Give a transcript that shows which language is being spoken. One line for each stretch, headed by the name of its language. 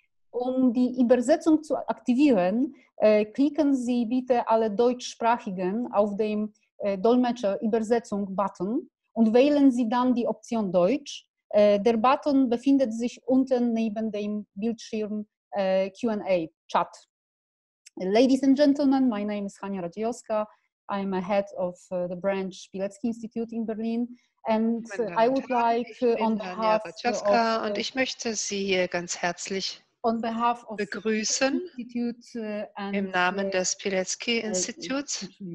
German: Um die Übersetzung zu aktivieren, klicken Sie bitte alle Deutschsprachigen auf den Dolmetscher-Übersetzung-Button und wählen Sie dann die Option Deutsch. Der Button befindet sich unten neben dem Bildschirm Q&A Chat.
English: Ladies and gentlemen, my name is Hania Radziejowska. I'm a head of the branch Pilecki Institute in Berlin. And I would like on behalf of
German: und ich möchte Sie ganz herzlich
English: on behalf of
German: begrüßen and im Namen des Pilecki Instituts.